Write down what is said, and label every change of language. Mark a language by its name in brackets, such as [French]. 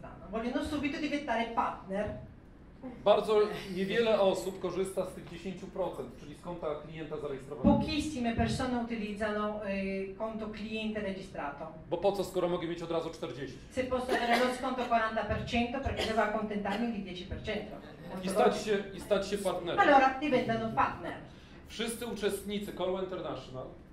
[Italian] Vogliono subito diventare partner. [Polish] Bardzo niewiele osób korzysta z tych 10%, czyli z konta klienta zarejestrowanego. [Italian] Pochissime persone utilizzano [Polish] konto [Italian] cliente registrato. [Polish] Bo po co, skoro mogę mieć od razu 40? [Italian] Se posso avere lo sconto 40%, perché devo accontentarmi di 10%. [Polish] I stać się partnerem. [Italian] Allora diventano partner. [Polish] Wszyscy uczestnicy Call International.